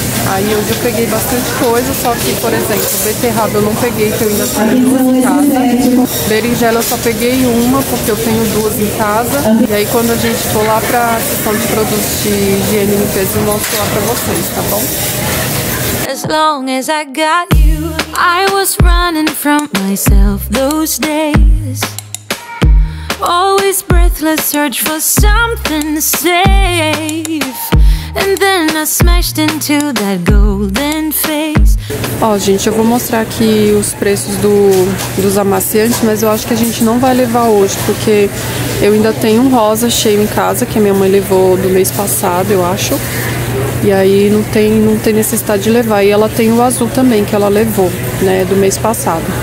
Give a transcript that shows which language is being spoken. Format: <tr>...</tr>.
<pt>Aí hoje eu peguei bastante coisa, só que, por exemplo, beterraba eu não peguei, que eu ainda tenho duas em casa. Berinjela eu só peguei uma, porque eu tenho duas em casa. E aí quando a gente for lá pra sessão de produtos de higiene e limpeza, eu mostro lá pra vocês, tá bom?</pt> <en>As long as I got you, I was running from myself those days. Always breathless, search for something safe. And then I smashed into that golden face.</en> <pt>Ó, gente, eu vou mostrar aqui os preços dos amaciantes, mas eu acho que a gente não vai levar hoje, porque eu ainda tenho um rosa cheio em casa, que a minha mãe levou do mês passado, eu acho. E aí não tem necessidade de levar. E ela tem o azul também, que ela levou, né, do mês passado.</pt>